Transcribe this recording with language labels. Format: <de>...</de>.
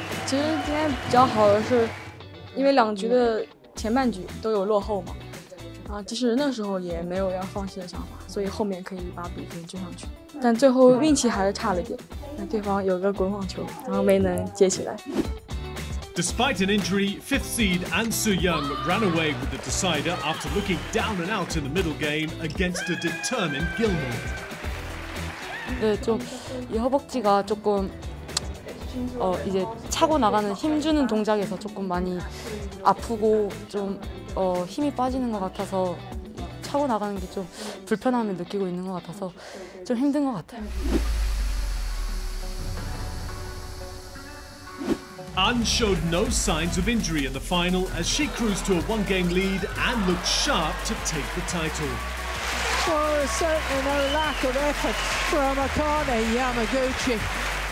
<en>Despite an injury, 5th seed An Soo Young ran away with the decider after looking down and out in the middle game against a determined Gilmore.</en> <ko>네, 좀 이 허벅지가 조금 이제 차고 나가는 힘 주는 동작에서 조금 많이 아프고 좀 힘이 빠지는 것 같아서 차고 나가는 게 좀 불편함을 느끼고 있는 것 같아서 좀 힘든 것 같아요.</ko> <en>An showed no signs of injury in the final as she cruised to a one-game lead and looked sharp to take the title. There is certainly no lack of effort from Akane Yamaguchi.</en>